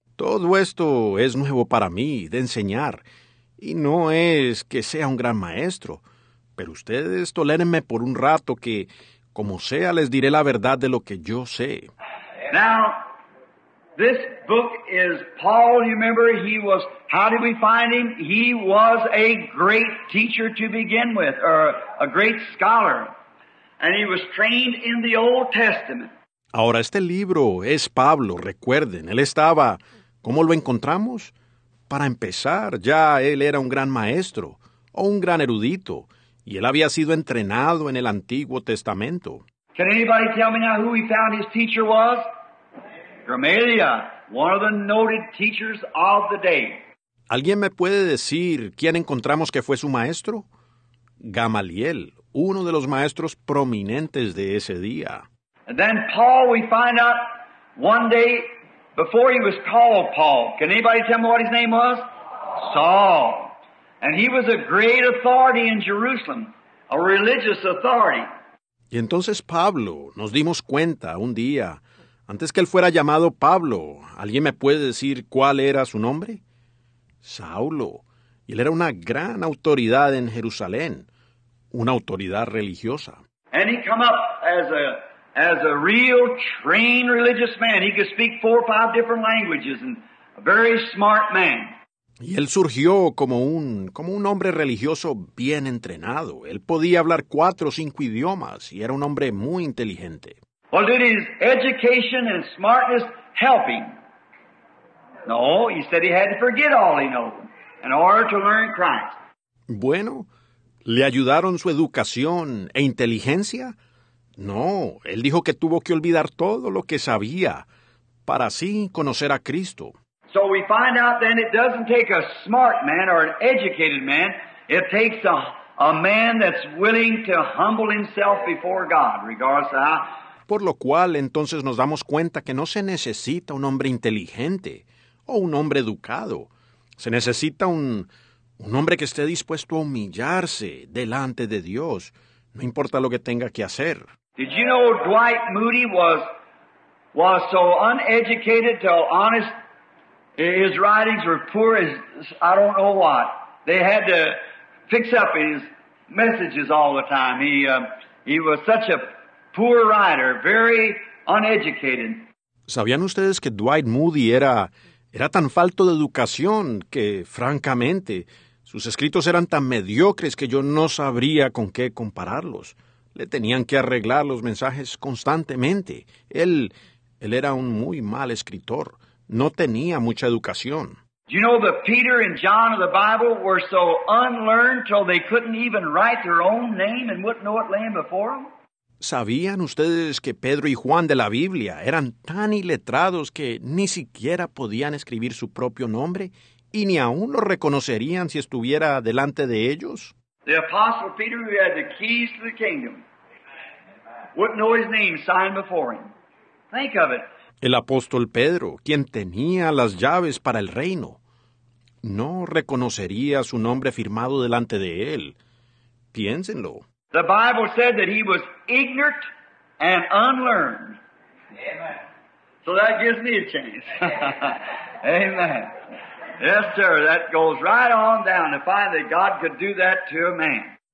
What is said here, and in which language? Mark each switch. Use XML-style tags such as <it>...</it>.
<es>Todo esto es nuevo para mí, de enseñar, y no es que sea un gran maestro, pero ustedes tolérenme por un rato que, como sea, les diré la verdad de lo que yo sé.</es> <en>Now, this book is Paul, you remember, how did we find him? He was a great teacher to begin with, or a great scholar, and he was trained in the Old Testament.</en> <es>Ahora, este libro es Pablo, recuerden, él estaba, ¿cómo lo encontramos? Para empezar, ya él era un gran maestro, o un gran erudito, y él había sido entrenado en el Antiguo Testamento.</es> <en>Can anybody tell me now who he found his teacher was? Gamaliel, one of the noted teachers of the day.</en> <es>¿Alguien me puede decir quién encontramos que fue su maestro? Gamaliel, uno de los maestros prominentes de ese día.</es> <en>And then Paul, we find out one day before he was called Paul. Can anybody tell me what his name was? Saul. And he was a great authority in Jerusalem, a religious authority.</en> <es>Y entonces Pablo, nos dimos cuenta un día, antes que él fuera llamado Pablo, ¿alguien me puede decir cuál era su nombre? Saulo. Y él era una gran autoridad en Jerusalén, una autoridad religiosa.</es> <en>And he come up as a real trained religious man. He could speak 4 or 5 different languages and a very smart man.</en> <es>Y él surgió como un hombre religioso bien entrenado. Él podía hablar 4 o 5 idiomas y era un hombre muy inteligente.</es> <en>Well, did his education and smartness help him? No, he said he had to forget all he knew in order to learn Christ.</en> <es>Bueno, ¿le ayudaron su educación e inteligencia? No, él dijo que tuvo que olvidar todo lo que sabía para así conocer a Cristo.</es> <en>So we find out then it doesn't take a smart man or an educated man. It takes a man that's willing to humble himself before God, regardless of how.</en> <es>Por lo cual, entonces nos damos cuenta que no se necesita un hombre inteligente o un hombre educado. Se necesita un hombre que esté dispuesto a humillarse delante de Dios, no importa lo que tenga que hacer.</es> <en>Did you know Dwight Moody was so uneducated till honest, his writings were poor as I don't know what. They had to fix up his messages all the time. He was such a poor writer, very uneducated.</en> <es>¿Sabían ustedes que Dwight Moody era tan falto de educación que, francamente, sus escritos eran tan mediocres que yo no sabría con qué compararlos? Le tenían que arreglar los mensajes constantemente. Él era un muy mal escritor. No tenía mucha educación.</es> <en>Do you know that Peter and John of the Bible were so unlearned till they couldn't even write their own name and wouldn't know what lay before them?</en> <es>¿Sabían ustedes que Pedro y Juan de la Biblia eran tan iletrados que ni siquiera podían escribir su propio nombre y ni aún lo reconocerían si estuviera delante de ellos?</es> <en>The apostle Peter, who had the keys to the kingdom, wouldn't know his name signed before him. Think of it.</en> <es>El apóstol Pedro, quien tenía las llaves para el reino, no reconocería su nombre firmado delante de él. Piénsenlo.</es> <en>The Bible said that he was ignorant and unlearned. Amen. So that gives me a chance. Amen. Yes, sir, that goes right on down to find that God could do that to a man.</en>